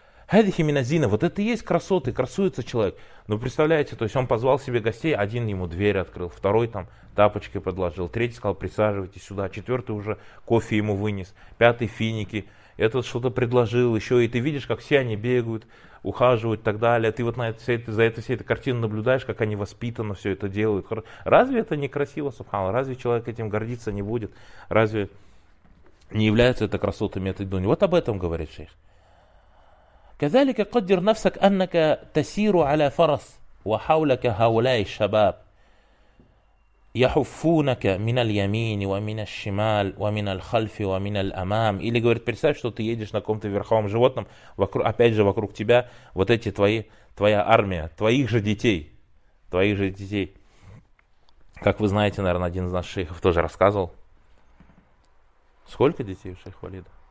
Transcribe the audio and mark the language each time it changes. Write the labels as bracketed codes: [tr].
[ru] Хадихи миназина, вот это и есть красоты, красуется человек. Ну, представляете, то есть он позвал себе гостей, один ему дверь открыл, второй там тапочки подложил, третий сказал, присаживайтесь сюда, четвертый уже кофе ему вынес, пятый финики, этот что-то предложил еще, и ты видишь, как все они бегают, ухаживают и так далее, ты вот на это, за это всю эту картину наблюдаешь, как они воспитанно все это делают. Разве это не красиво, субханаллах? Разве человек этим гордиться не будет? Разве не является это красотами этой дуни? Вот об этом говорит шейх. [ar] كذلك قدر نفسك أنك تسير على فرس وحولك هؤلاء الشباب يحفونك من اليمين ومن الشمال ومن الخلف ومن الأمام. [ru] Или говорит, представь, что ты едешь на каком-то верховом животном, вокруг, опять же, вокруг тебя вот эти твои, твоя армия, твоих же детей. Как вы знаете, наверное, один из наших шейхов тоже рассказывал. Сколько детей у шейха Валида?